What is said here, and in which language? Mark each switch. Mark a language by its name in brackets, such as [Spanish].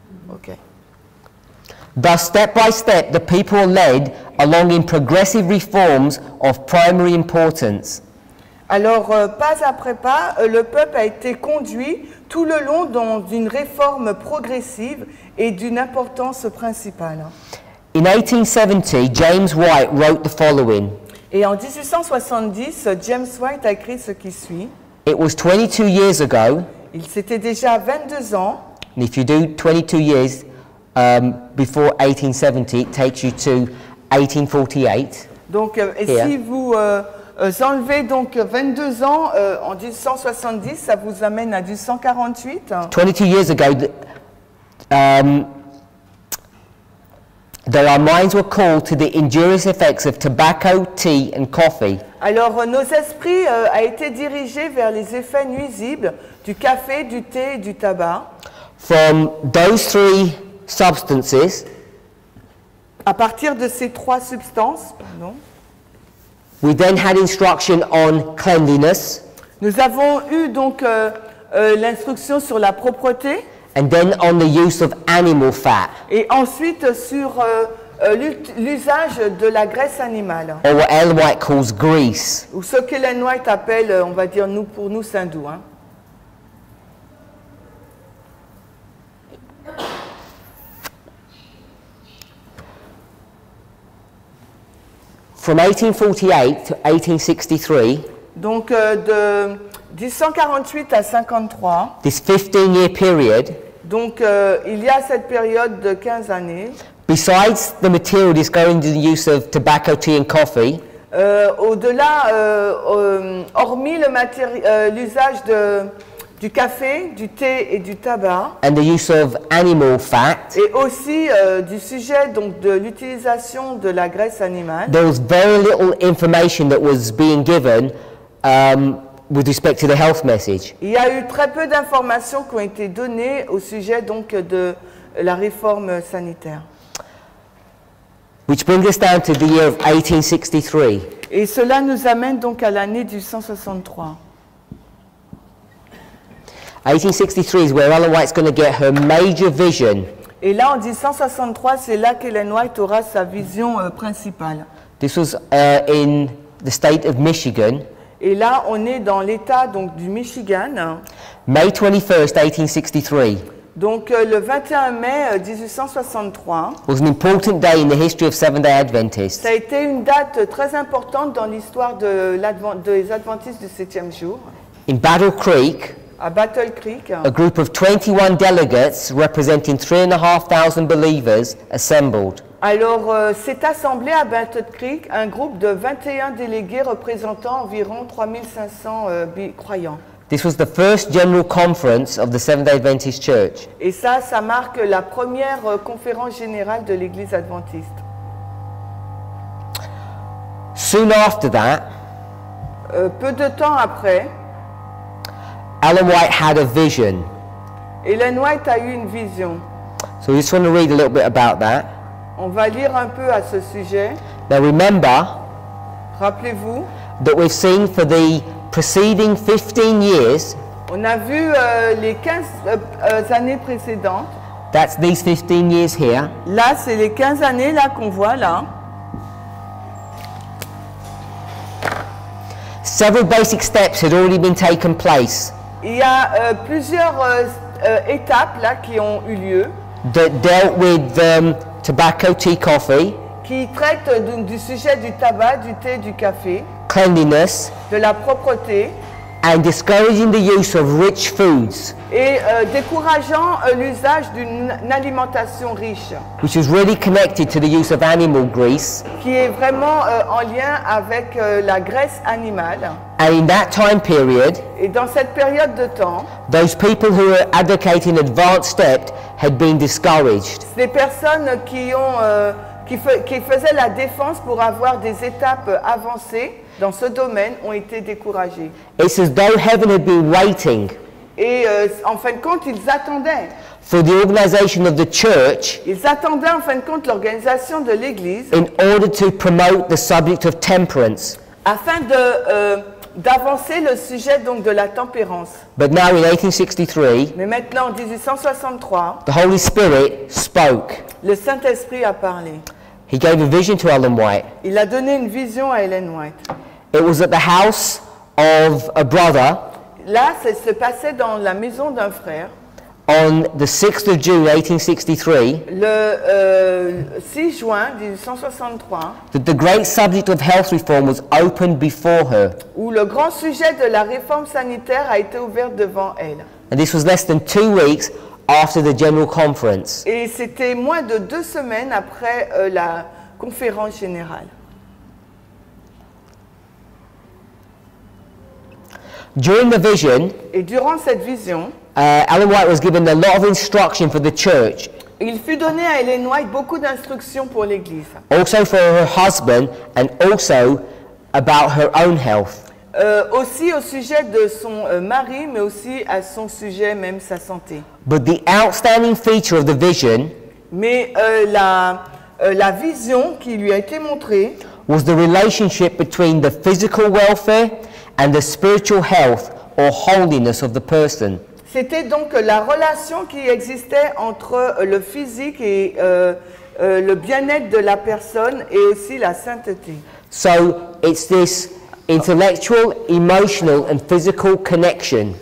[English] Okay. Thus, step by step, the people led along in progressive reforms of primary importance. [French] Alors, pas après pas, le peuple a été conduit tout le long dans une réforme progressive et d'une importance principale. [English] In 1870, James White wrote the following. [French] Et en 1870, James White a écrit ce qui suit. [English] It was 22 years ago. [French] Il s'était déjà 22 ans. [English] And if you do 22 years before 1870, it takes you to 1848. [French] Donc, si vous enlevez donc 22 ans en 1870, ça vous amène à 1848. [English] 22 years ago, that our minds were called to the injurious effects of tobacco, tea and coffee. [French] Alors nos esprits a été dirigés vers les effets nuisibles du café, du thé et du tabac. [English] From those three substances, [French] à partir de ces trois substances, pardon, [English] we then had instruction on cleanliness. [French] Nous avons eu donc l'instruction sur la propreté. [English] And then on the use of animal fat. [French] Et ensuite sur l'usage de la graisse animale. [English] Or what Ellen White calls grease. [French] Ou ce qu'Ellen White appelle, on va dire, nous pour nous, sein doux. Hein. [English] From 1848 to 1863. [French] Donc de 1848 à 53. [English] This 15-year period. [French] Donc il y a cette période de 15 années. [English] Besides the material that's going to the use of tobacco, tea and coffee. [French] Au-delà, hormis le l'usage de du café, du thé et du tabac. [English] And the use of animal fat. [French] Et aussi du sujet donc de l'utilisation de la graisse animale. [English] There was very little information that was being given with respect to the health message. [French] Il y a eu très peu d'informations qui ont été données au sujet donc de la réforme sanitaire. [English] Which brings us down to the year of 1863. [French] Et cela nous amène donc à l'année 1863. [English] 1863 is where Ellen White's going to get her major vision. [French] Et là, en 1863, c'est là qu'Ellen White aura sa vision principale. [English] This was in the state of Michigan. [French] Et là, on est dans l'état donc du Michigan. [English] May 21st, 1863. [French] Donc le 21 mai 1863. [English] Was an important day in the history of Seventh-day Adventists. [French] Ça a été une date très importante dans l'histoire de des Adventistes du septième jour. [English] In Battle Creek. [French] À Battle Creek, [English] a group of 21 delegates representing 3,500 believers assembled. [French] Alors, s'est assemblé à Battle Creek un groupe de 21 délégués représentant environ 3,500 croyants. [English] This was the first general conference of the Seventh-day Adventist Church. [French] Et ça, ça marque la première conférence générale de l'Église Adventiste. [English] Soon after that, [French] peu de temps après, [English] Ellen White had a vision. [French] Ellen White a eu une vision. [English] So we just want to read a little bit about that. [French] On va lire un peu à ce sujet. [English] Now remember, [French] rappelez-vous, [English] that we've seen for the preceding 15 years, [French] on a vu les 15 années précédentes. [English] That's these 15 years here. [French] Là, c'est les 15 années là qu'on voit là. [English] Several basic steps had already been taken place. [French] Il y a plusieurs étapes là qui ont eu lieu. [English] That dealt with tobacco, tea, coffee. [French] Qui traitent du sujet du tabac, du thé, du café. [English] Cleanliness. [French] De la propreté. [English] And discouraging the use of rich foods. [French] Et décourageant l'usage d'une alimentation riche. [English] Which is really connected to the use of animal grease. [French] Qui est vraiment en lien avec la graisse animale. [English] And in that time period, [French] et dans cette période de temps, [English] those people who were advocating advanced steps had been discouraged. [French] Ces personnes qui faisaient la défense pour avoir des étapes avancées dans ce domaine ont été découragées. [English] It's as though heaven had been waiting. [French] Et en fin de compte, ils attendaient. [English] For the organization of the church. [French] Ils attendaient en fin de compte l'organisation de l'Église. [English] In order to promote the subject of temperance. [French] Afin de d'avancer le sujet donc de la tempérance. [English] But now in 1863. [French] Mais maintenant en 1863. [English] The Holy Spirit spoke. [French] Le Saint-Esprit a parlé. [English] He gave a vision to Ellen White. [French] Il a donné une vision à Ellen White. [English] It was at the house of a brother. [French] Là, ça se passait dans la maison d'un frère. [English] On the 6th of June 1863. [French] Le 6 juin 1863. [English] That the great subject of health reform was opened before her. [French] Où le grand sujet de la réforme sanitaire a été ouvert devant elle. [English] And this was less than 2 weeks after the general conference. [French] Et c'était moins de 2 semaines après la conférence générale. [English] During the vision, [French] et durant cette vision, [English] Ellen White was given a lot of instruction for the church. [French] Il fut donné à Ellen White beaucoup d'instructions pour l'église. [English] Also for her husband and also about her own health. [French] Aussi au sujet de son mari, mais aussi à son sujet même sa santé. [English] But the outstanding feature of the vision, [French] mais la vision qui lui a été montrée, [English] was the relationship between the physical welfare and the spiritual health or holiness of the person. [French] C'était donc la relation qui existait entre le physique et le bien-être de la personne et aussi la sainteté. [English] So it's this intellectual, emotional and physical connection.